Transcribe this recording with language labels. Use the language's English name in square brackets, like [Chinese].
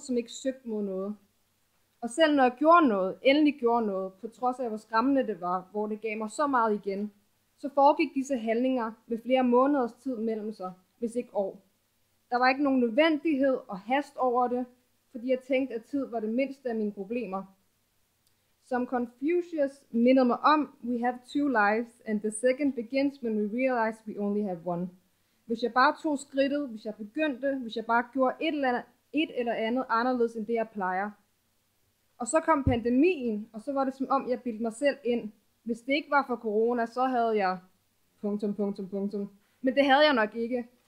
[Danish] Som ikke søgte mod noget. Og selv når jeg gjorde noget, endelig gjorde noget, på trods af hvor skræmmende det var, hvor det gav mig så meget igen, så foregik disse handlinger med flere måneders tid mellem sig. hvis ikke år. Der var ikke nogen nødvendighed og hast over det, fordi jeg tænkte, at tid var det mindste af mine problemer. Som Confucius minder mig om, [English] we have two lives, and the second begins when we realize we only have one. [Danish] Hvis jeg bare tog skridtet, hvis jeg begyndte, hvis jeg bare gjorde et eller andet anderledes end det, jeg plejer. Og så kom pandemien, og så var det som om, jeg bildte mig selv ind. Hvis det ikke var for corona, så havde jeg... Men det havde jeg nok ikke.